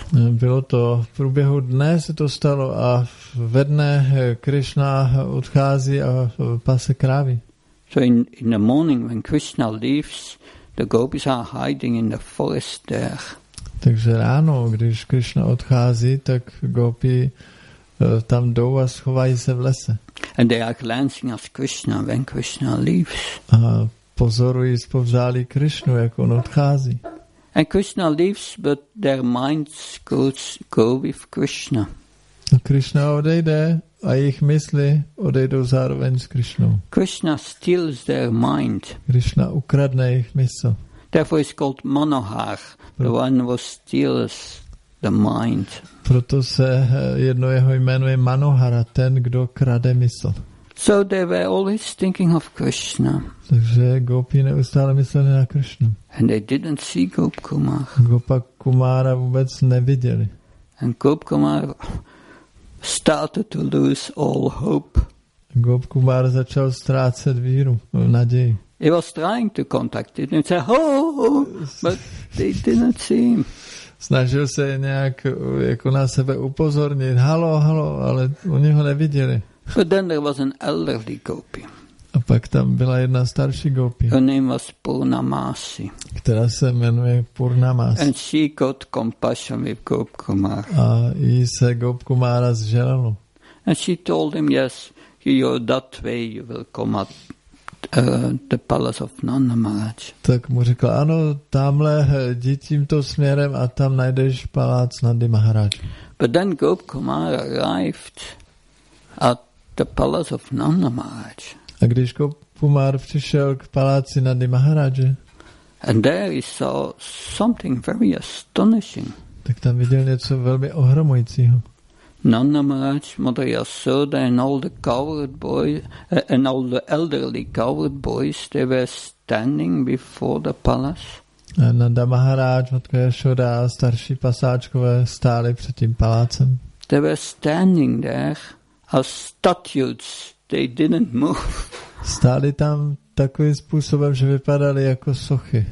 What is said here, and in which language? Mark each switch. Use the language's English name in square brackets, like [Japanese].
[Czech] Bylo to v průběhu dne se to stalo a ve dne Krishna odchází a pase krávy. [English] So in the morning when Krishna leaves, the gopis are hiding in the forest there. [Czech] Takže ráno, když Krishna odchází, tak gopi tam jdou a schovají se v lese. [English] And they are glancing at Krishna when Krishna leaves. [Czech] A pozorují zpovzdálí Krishnu, jak on odchází. [English] And Krishna leaves, but their minds go with Krishna. [Czech] A Krishna odejde a jejich mysli odejdou zároveň s Krishnou. [English] Krishna steals their mind. [Czech] Krishna ukradne jejich mysl. [English] Therefore it's called Manohar, the one who steals the mind. [Czech] Proto se jedno jeho jméno je Manohara, ten, kdo krade mysl. [English] So they were always thinking of Krishna. [Czech] Takže gopi neustále mysleli na Krishnu. [English] And they didn't see Gop Kumar. [Czech] Gopa Kumara vůbec neviděli. [English] And Gop Kumar started to lose all hope. [Czech] Gop Kumar začal ztrácet víru, naději. [English] He was trying to contact it and say, oh, but they didn't see him. [Czech] Snažil se nějak jako na sebe upozornit, halo, ale oni ho neviděli. [English] But then there was an elderly gopi. [Czech] A pak tam byla jedna starší gopi. [English] Her name was Purnamasi. [Czech] Která se jmenuje Purnamasi. [English] And she got compassion with Gop Kumar. [Czech] A jí se Gop Kumara zželalo. [English] And she told him, yes, you're that way, you will come up. The palace of Nanda Maharaj. [Czech] Tak mu řekl, ano, tamhle jdi tímto směrem a tam najdeš palác Nandy Maharaj. [English] But then Gop Kumar arrived at the palace of Nanda Maharaj. [Czech] A když Gop Kumar přišel k paláci Nandy Maharaj, [English] And there he saw something very astonishing. [Czech] Tak tam viděl něco velmi ohromujícího. [English] Nanamrač, Mother Yasoda and all the coward boys and all the elderly coward boys, they were standing before the palace. [Czech] Nanda Maharaj, Matka Yasoda, starší pasáčkové stáli před tím palácem. [English] They were standing there as statues. They didn't move. [Czech] Stáli tam takovým způsobem, že vypadali jako sochy.